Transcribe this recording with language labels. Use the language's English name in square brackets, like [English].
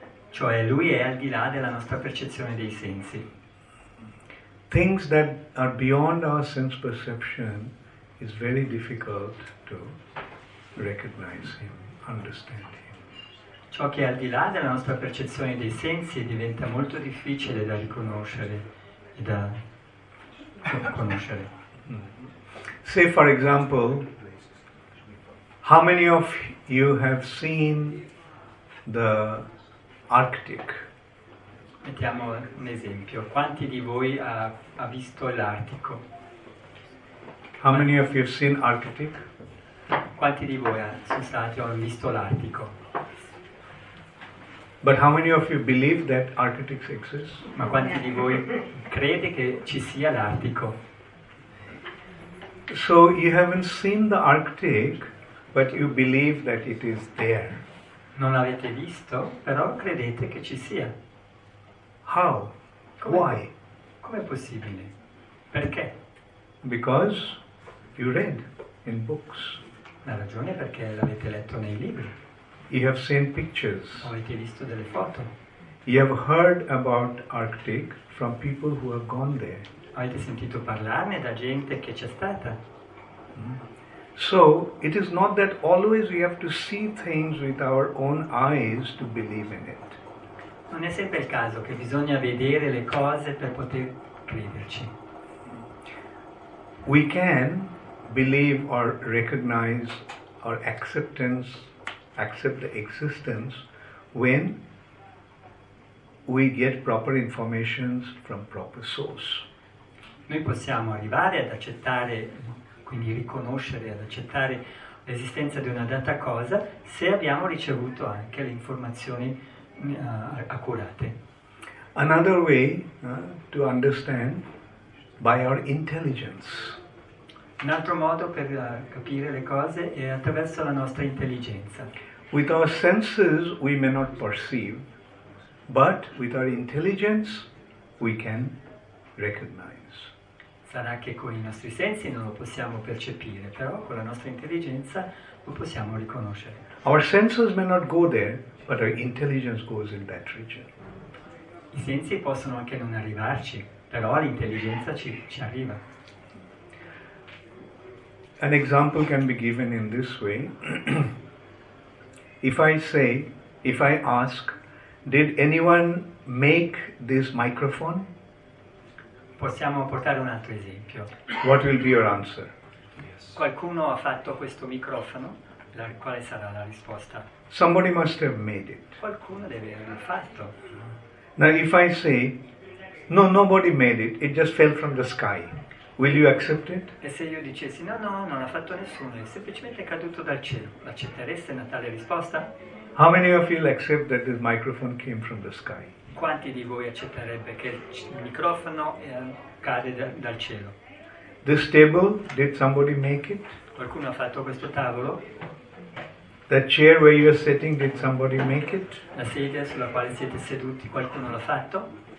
[Italian] Cioè lui è al di là della nostra percezione dei sensi. [English] Things that are beyond our sense perception is very difficult to recognize him, understand him. [Italian] Ciò che è al di là della nostra percezione dei sensi diventa molto difficile da riconoscere. Da conoscere. [English] Say for example, how many of you have seen the Arctic? [Italian] Mettiamo un esempio. Quanti di voi ha visto l'Artico? [English] How many of you have seen Arctic? [Italian] Quanti di voi sono stati o visto l'Artico? [English] But how many of you believe that Arctic exists? [Italian] Ma quanti di voi crede che ci sia l'Artico? [English] So you haven't seen the Arctic, but you believe that it is there. [Italian] Non avete visto, però credete che ci sia. [English] How? [Italian] Come? [English] Why? [Italian] Com'è possibile? Perché? [English] Because you read in books. [Italian] La ragione è perché l'avete letto nei libri. [English] You have seen pictures. [Italian] Avete visto delle foto. [English] You have heard about Arctic from people who have gone there. [Italian] Avete sentito parlarne da gente che c'è stata. [English] So it is not that always we have to see things with our own eyes to believe in it. [Italian] Non è sempre il caso che bisogna vedere le cose per poter crederci. [English] We can believe or recognize or accept the existence when we get proper information from proper source. [Italian] Noi possiamo arrivare ad accettare, quindi riconoscere ad accettare l'esistenza di una data cosa se abbiamo ricevuto anche le informazioni accurate. [English] Another way to understand by our intelligence. [Italian] Un altro modo per capire le cose è attraverso la nostra intelligenza. [English] With our senses we may not perceive, but with our intelligence we can recognize. [Italian] Sarà che con i nostri sensi non lo possiamo percepire, però con la nostra intelligenza lo possiamo riconoscere. [English] Our senses may not go there, but our intelligence goes in that region. [Italian] I sensi possono anche non arrivarci, però l'intelligenza ci arriva. [English] An example can be given in this way. If I ask, did anyone make this microphone? [Italian] Possiamo portare un altro esempio. [English] What will be your answer? Yes. [Italian] Qualcuno ha fatto questo microfono? Quale sarà la risposta? [English] Somebody must have made it. [Italian] Qualcuno deve averlo fatto. [English] Now if I say, no, nobody made it, it just fell from the sky. Will you accept it? [Italian] E se io dicessi no, non l'ha fatto nessuno, è semplicemente caduto dal cielo, accettereste una tale risposta? [English] How many of you accept that this microphone came from the sky? [Italian] Quanti di voi accetterebbe che il microfono cade dal cielo? [English] This table, did somebody make it? [Italian] Qualcuno ha fatto questo tavolo? [English] That chair where you are sitting, did somebody make it? [Italian] La sedia sulla quale siete seduti, qualcuno l'ha fatto?